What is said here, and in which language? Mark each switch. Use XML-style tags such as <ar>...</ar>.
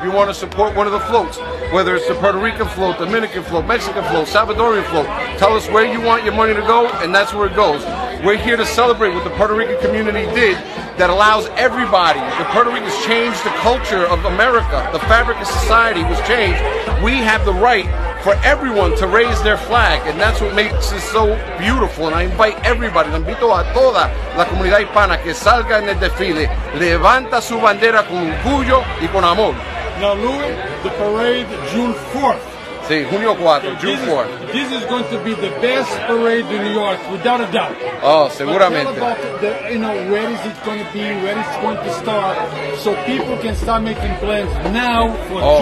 <en>You want to support one of the floats, whether it's the Puerto Rican float, Dominican float, Mexican float, Salvadorian float, tell us where you want your money to go, and that's where it goes. We're here to celebrate what the Puerto Rican community did that allows everybody. The Puerto Ricans changed the culture of America. The fabric of society was changed. We have the right for everyone to raise their flag, and that's what makes it so beautiful. And I invite everybody,</en> <es>le invito a toda la comunidad hispana que salga en el desfile, levanta su bandera con orgullo y con amor.</es> <en>Now, Louis, the parade June 4th.</en> <es>Sí, junio 4, okay,</es> <en>June 4th. This is going to be the best parade in New York, without a doubt.</en> <es>Oh, seguramente.</es> <en>But tell about the, you know, where is it going to be, where is it going to start, so people can start making plans now for June 4th.</en>